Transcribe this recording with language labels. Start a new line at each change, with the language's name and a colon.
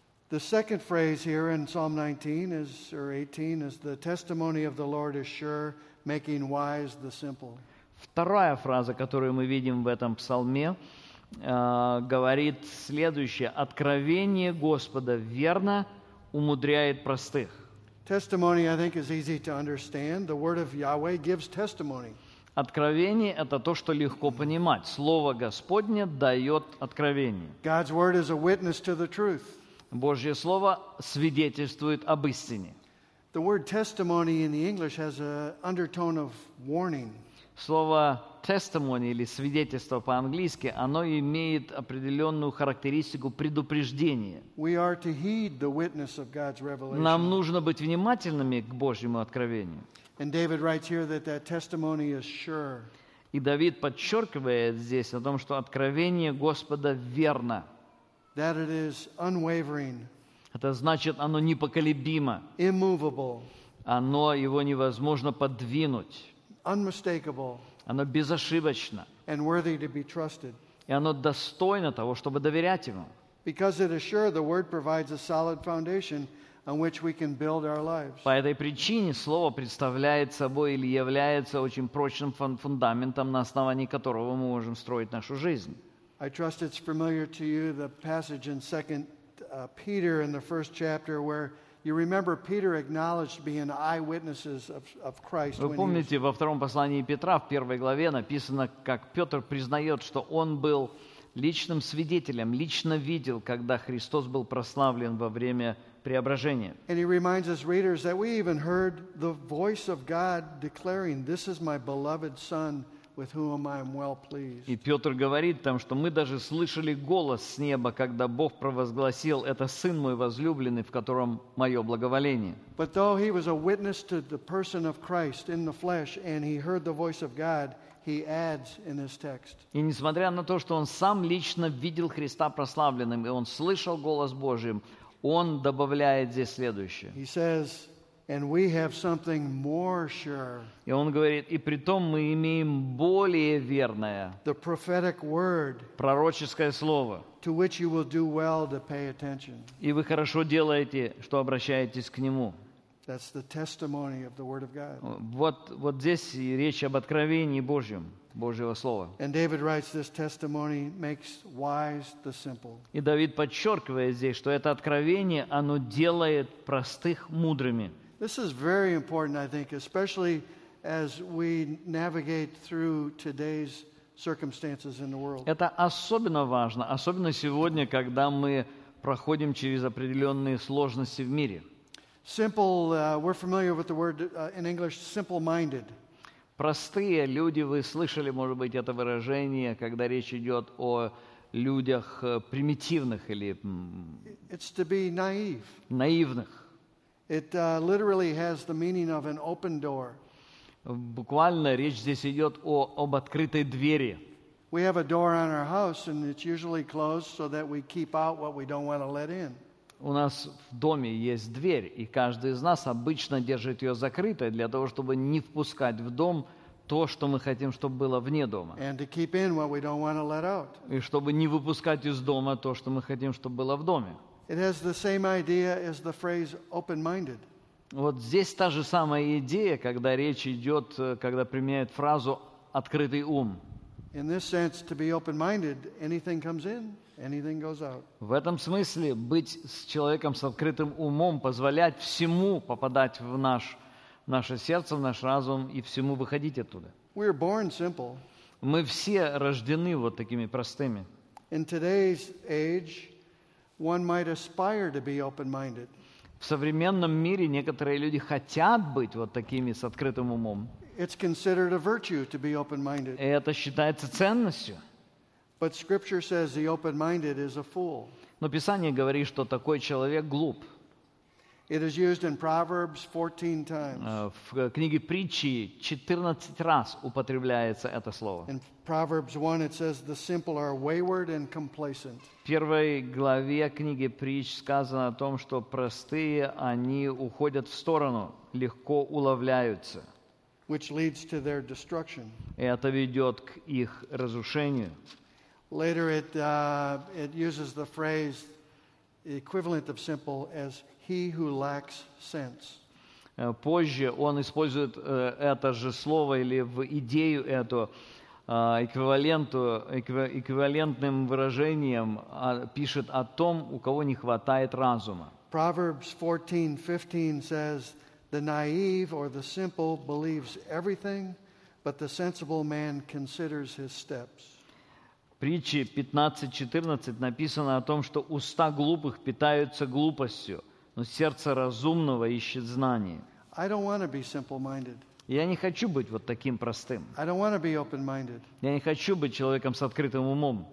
English: The second phrase here in Psalm 19 is or 18 is the testimony of the Lord is sure, making wise the simple.
Russian: Вторая фраза, которую мы видим в этом псалме, говорит следующее: откровение Господа верно умудряет простых.
English: Testimony, I think, is easy to understand. The word of Yahweh gives testimony.
Russian: Откровение – это то, что легко понимать. Слово Господне дает откровение.
English: God's word is a witness to the truth.
Russian: Божье Слово свидетельствует об истине.
English: The word testimony in the English has an undertone of warning.
Russian: Слово testimony или свидетельство по-английски, оно имеет определенную характеристику предупреждения.
English: We are to heed the witness of God's revelation.
Russian: Нам нужно быть внимательными к Божьему откровению.
English: And David writes here that that testimony is sure.
Russian: И Давид подчеркивает здесь о том, что откровение Господа верно.
English: That it is unwavering.
Russian: Это значит, оно непоколебимо.
English: Immovable.
Russian: Оно его невозможно подвинуть.
English: Unmistakable.
Russian: Оно безошибочно.
English: And worthy to be trusted.
Russian: И оно достойно того, чтобы доверять ему.
English: Because it is sure, the word provides a solid foundation on which we can build our lives.
Russian: По этой причине слово представляет собой или является очень прочным фундаментом, на основании которого мы можем строить нашу жизнь.
English: I trust it's familiar to you, the passage in 2 Peter in the first chapter where you remember Peter acknowledged being eyewitnesses of Christ.
Russian: Вы помните, во втором послании Петра, в первой главе, написано, как Петр признает, что он был личным свидетелем, лично видел, когда Христос был прославлен во время преображения.
English: And he reminds us readers that we even heard the voice of God declaring, this is my beloved Son, with whom I am well pleased.
Russian: И Петр говорит там, что мы даже слышали голос с неба, когда Бог провозгласил: «Это Сын мой возлюбленный, в котором мое благоволение».
English: But though he was a witness to the person of Christ in the flesh, and he heard the voice of God, he adds in his text.
Russian: И несмотря на то, что он сам лично видел Христа прославленным, и он слышал голос Божий, он добавляет здесь следующее.
English: He says, and we have something more sure.
Russian: И он говорит, и притом мы имеем более верное.
English: The prophetic word.
Russian: Пророческое слово.
English: To which you will do well to pay attention.
Russian: И вы хорошо делаете, что обращаетесь к нему.
English: That's the testimony of the word of God.
Russian: Вот здесь речь об откровении Божьем. Божьего Слова.
English: And David writes, this testimony makes wise the simple.
Russian: И Давид подчеркивает здесь, что это откровение, оно делает простых мудрыми.
English: This is very important, I think, especially as we navigate through today's circumstances in the world.
Russian: Это особенно важно, особенно сегодня, когда мы проходим через определенные сложности в мире.
English: Simple, we're familiar with the word in English, simple-minded.
Russian: Простые люди, вы слышали, может быть, это выражение, когда речь идет о людях примитивных или
English: It's to be naive.
Russian: Наивных.
English: It literally has the meaning of an open door.
Russian: Буквально речь здесь идет о, об открытой двери.
English: We have a door on our house, and it's usually closed so that we keep out what we don't want to let in.
Russian: У нас в доме есть дверь, и каждый из нас обычно держит ее закрытой для того, чтобы не впускать в дом то, что мы хотим, чтобы было вне дома.
English: And to keep in what we don't want to let out.
Russian: И чтобы не выпускать из дома то, что мы хотим, чтобы было в доме.
English: It has the same idea as the phrase open-minded.
Russian: Вот здесь та же самая идея, когда речь идет, когда применяют фразу «открытый ум».
English: In this sense, to be open-minded, anything comes in, anything goes out.
Russian: В этом смысле быть с человеком с открытым умом, позволять всему попадать в наш, в наше сердце, в наш разум и всему выходить оттуда.
English: We are born simple.
Russian: Мы все рождены вот такими простыми.
English: In today's age, one might aspire to be open-minded.
Russian: В современном мире некоторые люди хотят быть вот такими с открытым умом.
English: It's considered a virtue to be open-minded.
Russian: Это считается ценностью.
English: But Scripture says the open-minded is a fool.
Russian: Но Писание говорит, что такой человек глуп.
English: It is used in Proverbs 14 times.
Russian: В книге Притчи 14 раз употребляется это слово.
English: In Proverbs 1 it says the simple are wayward and complacent.
Russian: В первой главе книги Притч сказано о том, что простые они уходят в сторону, легко уловляются.
English: Which leads to their destruction.
Russian: Это ведет к их разрушению.
English: Later it uses the phrase equivalent of simple as he who lacks sense.
Russian: Позже он использует это же слово или в идею эту эквивалентным выражением пишет о том, у кого не хватает разума.
English: Proverbs 14:15 says the naive or the simple believes everything, but the sensible man considers his steps.
Russian: Притчи 15:14 написано о том, что уста глупых питаются глупостью, но сердце разумного ищет знание.
English: I don't want to be simple-minded.
Russian: Я не хочу быть вот таким простым.
English: I don't want to be open-minded.
Russian: Я не хочу быть человеком с открытым умом.